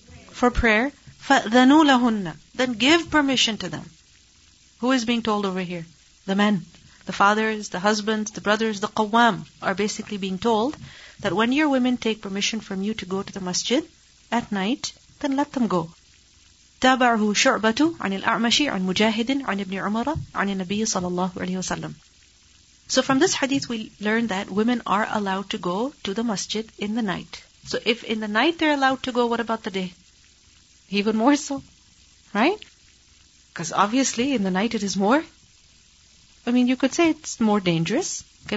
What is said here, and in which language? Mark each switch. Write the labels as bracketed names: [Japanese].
[English] For prayer, [Arabic] فَأْذَنُوا لَهُنَّ, [English] then give permission to them. Who is being told over here? The men, the fathers, the husbands, the brothers, the qawwam are basically being told that when your women take permission from you to go to the masjid at night, then let them go. [Arabic] تابعه شعبة عن الأعمشي عن مجاهد عن ابن عمر عن النبي صلى الله عليه وسلم. [English] So from this hadith we learn that women are allowed to go to the masjid in the night. So if in the night they're allowed to go, what about the day? Even more so, right? Because obviously in the night it is more, I mean, you could say it's more dangerous, okay?